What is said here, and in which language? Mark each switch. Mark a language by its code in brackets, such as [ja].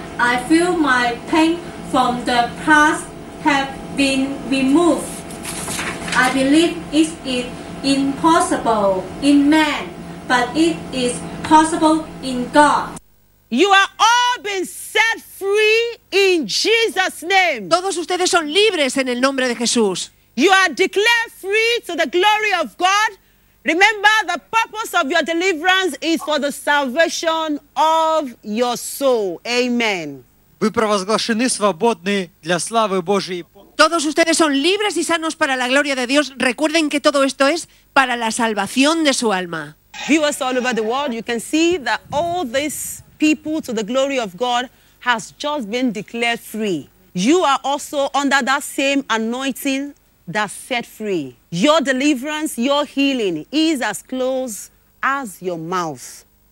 [en] I feel my pain from the past have been removed. I believe it is impossible in man, but it is possible in God. You are all been set free in Jesus' name. [es] Todos ustedes son libres en el nombre de Jesús. [en] You are declared free to the glory of God. Remember, the purpose of your deliverance is for the salvation of your soul. Amen. [ru] Вы провозглашены свободны для славы Божьей. [es] Todos ustedes son libres y sanos para la gloria de Dios. Recuerden que todo esto es para la salvación de su alma. [en] Viewers all over the world, you can see that all this people to the glory of God has just been declared free. You are also under that same anointing that set free. Your deliverance, your healing is as close as your mouth.